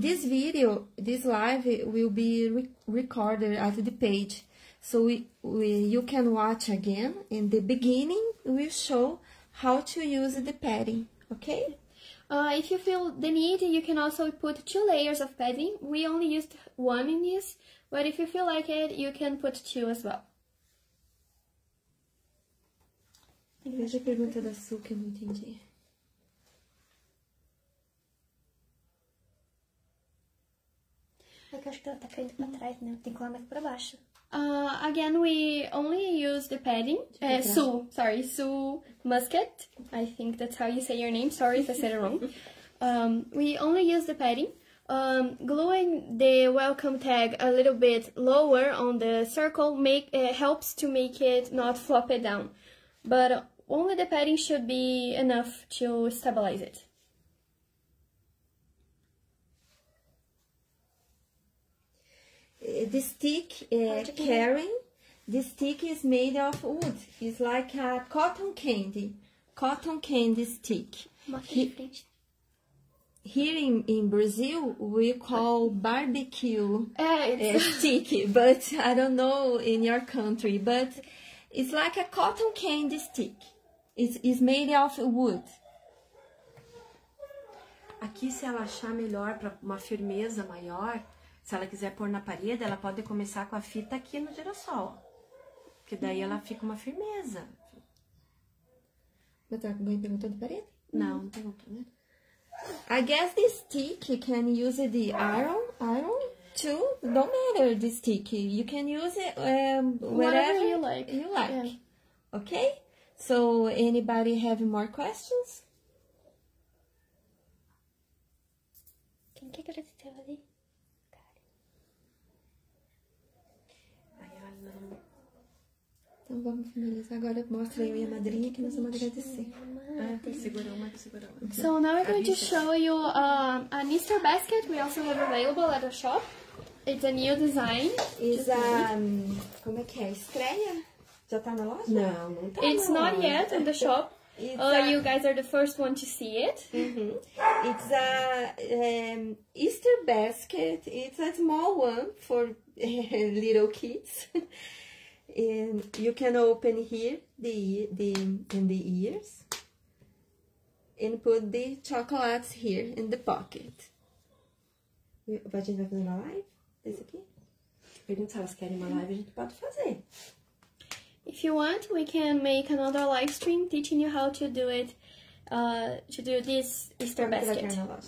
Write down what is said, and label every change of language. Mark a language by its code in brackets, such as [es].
[en] This video, this live, will be recorded at the page, so you can watch again. In the beginning, we'll show how to use the padding, okay? If you feel the need, you can also put two layers of padding. We only used one in this, but if you feel like it, you can put two as well. [pt] Veja a pergunta da Su, que eu não entendi. É que eu acho que ela tá caindo pra trás, né? Tem que colar mais pra baixo. [en] Again, we only use the padding, Sue Musket, I think that's how you say your name, sorry if I said it wrong. We only use the padding, gluing the welcome tag a little bit lower on the circle helps to make it not flop it down. But only the padding should be enough to stabilize it. The stick, caring, the stick is made of wood. It's like a cotton candy stick. Here in Brazil, we call barbecue stick, but I don't know in your country, but it's like a cotton candy stick. It's made of wood. [pt] Aqui, se ela achar melhor para uma firmeza maior, se ela quiser pôr na parede, ela pode começar com a fita aqui no girassol. Porque daí ela fica uma firmeza. Mas tá bem perguntando de parede? Não, não perguntou, né? [en] I guess this stick you can use the iron too. Don't matter the stick. You can use it whatever you like. You like. Yeah. Okay? So anybody have more questions? [pt] Quem que acredita ali? Então vamos finalizar agora. Mostra aí a minha madrinha que nós vamos agradecer. Ah, segurou uma. [en] So now we're going to show you an Easter basket we also have available at a shop. It's a new design. Is a [pt] como é que é? Estreia? Já tá na loja? Não, não tá. [en] It's [pt] na [en] not [pt] loja. [en] Yet in the shop. You guys are the first one to see it. Mm-hmm. It's a Easter basket. It's a small one for little kids. And you can open here the ears and put the chocolates here in the pocket. [pt] A gente vai fazer uma live? Esse aqui? Pergunta se elas querem uma live, a gente pode fazer. [en] If you want, we can make another live stream teaching you how to do it, to do this Easter basket.